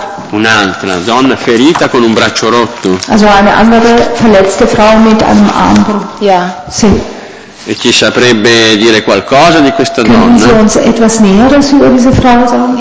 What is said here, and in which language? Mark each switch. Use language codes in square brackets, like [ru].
[it] Un'altra donna ferita con un braccio rotto. [de] Also eine andere verletzte Frau mit einem Armbruch. Ja. [it] Sì. E ci saprebbe dire qualcosa di questa donna? [de] Können Sie uns etwas Näheres über diese Frau sagen?